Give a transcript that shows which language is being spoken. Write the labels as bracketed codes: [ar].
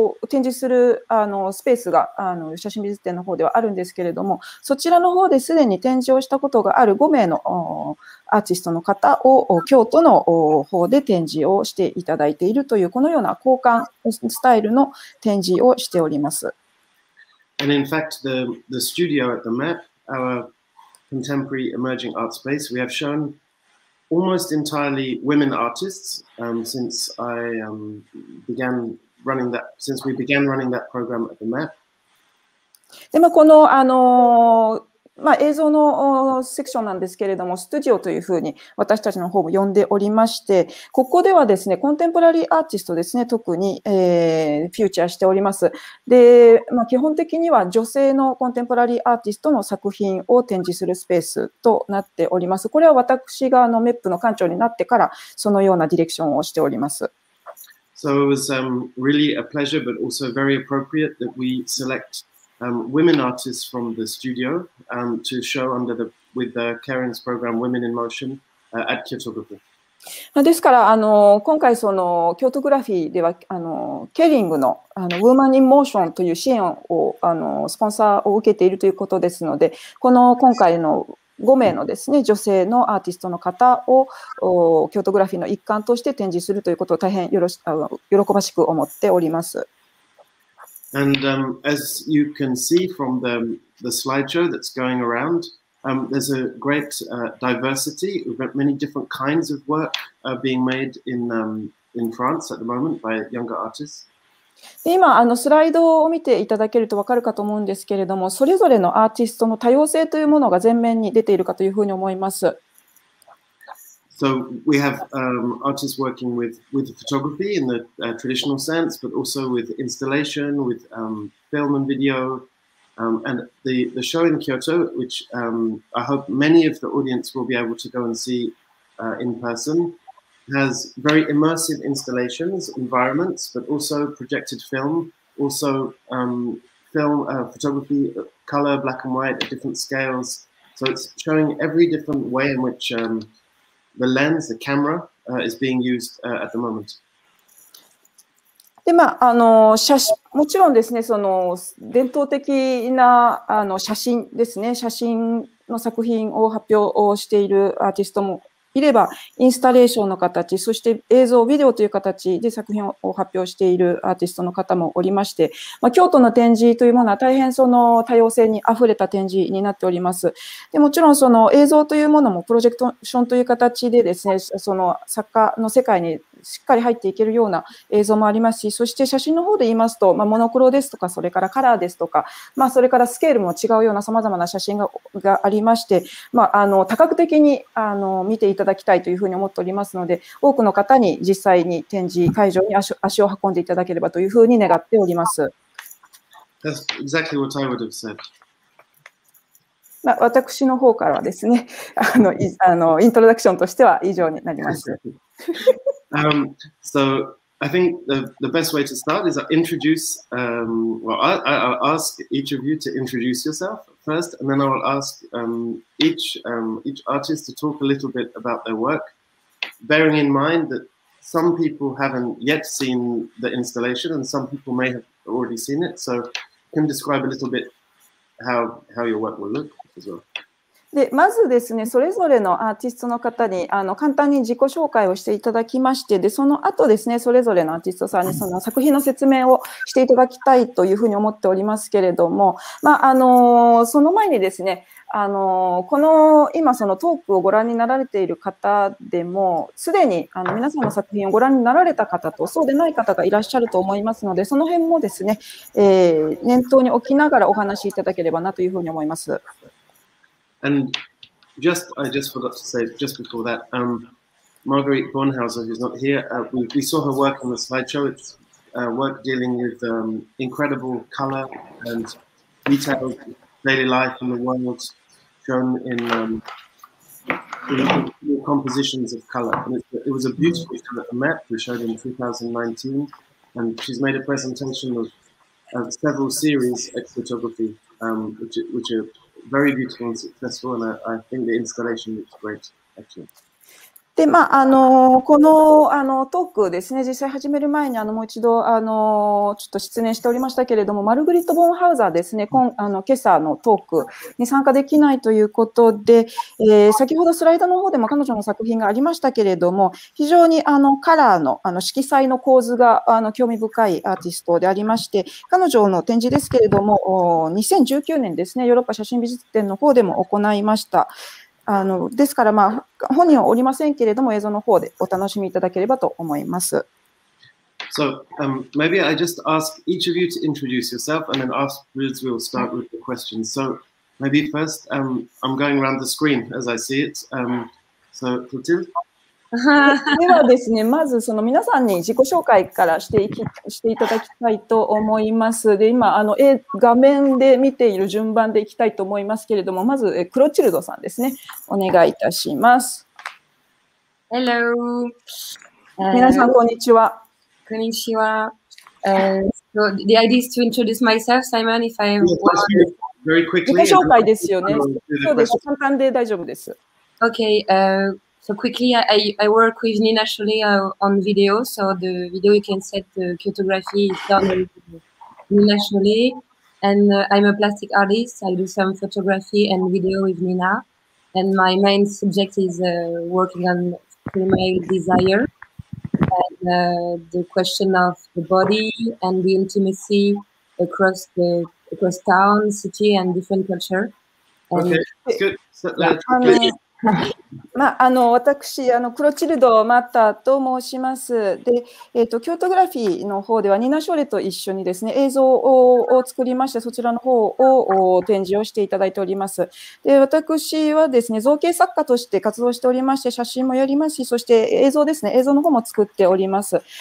[ja] 展示する、スペースが、写真美術展の方ではあるんですけれども、そちらの方ですでに展示をしたことがある5名の、アーティストの方を京都の方で展示をしていただいているというこのような交換スタイルの展示をしております。 [en] And in fact, the studio at the MEP, our contemporary emerging art space, we have shown almost entirely women artists since I began running that, since we began running that program at the MEP. [ja] で、まあ、このまあ、映像のセクションなんですけれども、スタジオというふうに私たちの方も呼んでおりまして、ここではですね、コンテンポラリーアーティストですね、特に、フューチャーしております。で、まあ、基本的には女性のコンテンポラリーアーティストの作品を展示するスペースとなっております。これは私がMEPの館長になってから、そのようなディレクションをしております。 [en] So it was really a pleasure, but also very appropriate that we select. Women artists from the studio to show under the with the Karen's program Women in Motion at Kyoto Group. [ja] ですから今回その京都グラフィーではケリングのウーマンインモーションという支援をスポンサーを受けているということですのでこの今回の5名のですね女性のアーティストの方を京都グラフィーの一環として展示するということを大変喜ばしく思っております。 [en] And as you can see from the slideshow that's going around, there's a great diversity. We've got many different kinds of work being made in France at the moment by younger artists. [ja] で今スライドを見ていただけると分かるかと思うんですけれども、それぞれのアーティストの多様性というものが前面に出ているかというふうに思います。 [en] So we have artists working with photography in the traditional sense, but also with installation, with film and video, and the show in Kyoto, which I hope many of the audience will be able to go and see in person, has very immersive installations, environments, but also projected film, also film, photography, color, black and white, at different scales. So it's showing every different way in which the lens, the camera, is being used at the moment. [ja] で、まあ、もちろんですね、その伝統的な写真ですね、写真の作品を発表をしているアーティストもいれば、インスタレーションの形、そして映像、ビデオという形で作品を発表しているアーティストの方もおりまして、まあ、京都の展示というものは大変その多様性にあふれた展示になっております。でもちろんその映像というものもプロジェクションという形でですね、その作家の世界にしっかり入っていけるような映像もありますし、そして写真の方で言いますと、まあ、モノクロですとか、それからカラーですとか、まあ、それからスケールも違うような様々な写真 がありまして、まあ、多角的に見ていただきたいというふうに思っておりますので、多くの方に実際に展示会場に 足を運んでいただければというふうに願っております。 [en] That's exactly what I would have said. [ja] まあ、私の方からはですね、イントロダクションとしては以上になります。 [en] So, I think the best way to start is introduce, I'll ask each of you to introduce yourself first, and then I will ask each artist to talk a little bit about their work, bearing in mind that some people haven't yet seen the installation, and some people may have already seen it, so can describe a little bit how your work will look. [ja] でまずですね、それぞれのアーティストの方に簡単に自己紹介をしていただきまして、でその後ですね、それぞれのアーティストさんにその作品の説明をしていただきたいというふうに思っておりますけれども、まあ、その前にですね、この今そのトークをご覧になられている方でも、すでに皆さんの作品をご覧になられた方とそうでない方がいらっしゃると思いますので、その辺もですね、念頭に置きながらお話しいただければなというふうに思います。 [en] And just, I just forgot to say just before that, Marguerite Bornhauser, who's not here, we saw her work on the slideshow. It's work dealing with incredible color and detailed daily life in the world shown in compositions of color. And it was a beautiful kind of map we showed in 2019. And she's made a presentation of several series of photography, which are... Very beautiful and successful, and I think the installation looks great, actually. [ja] で、まあ、この、トークですね、実際始める前に、もう一度、ちょっと失念しておりましたけれども、マルグリット・ボンハウザーですね、今朝のトークに参加できないということで、先ほどスライドの方でも彼女の作品がありましたけれども、非常に、カラーの、色彩の構図が、興味深いアーティストでありまして、彼女の展示ですけれども、2019年ですね、ヨーロッパ写真美術展の方でも行いました。ですから、まあ、本人はおりませんけれども、映像の方でお楽しみいただければと思います。 [en] So, maybe I just ask each of you to introduce yourself, and then afterwards we'll start with the questions. So, maybe first, I'm going around the screen as I see it. So, Clotilde? [ja] ではですね、まずその皆さんに自己紹介からしていただきたいと思います。で、今、画面で見ている順番でいきたいと思いますけれども、まず、クロチルドさんですね、お願いいたします。 [en] Hello! [ja] 皆さん、こんにちは。こんにちは。 [en] So, the idea is to introduce myself, Simon, if I want to. [ja] 自己紹介ですよね。そうです。簡単で大丈夫です。 [en] Okay. So quickly, I work with Nina Scholle on video. So the video you can set the photography is done with Nina Scholle. And I'm a plastic artist. I do some photography and video with Nina. And my main subject is working on female desire. And the question of the body and the intimacy across town, city and different culture. And okay, that's good. So, [ja] まあ、私、クロチルド・マッターと申します。で、キュートグラフィーの方では、ニナ・ショーレと一緒にですね、映像 を作りまして、そちらの方を展示をしていただいております。で、私はですね、造形作家として活動しておりまして、写真もやりますし、そして映像ですね、映像の方も作っております。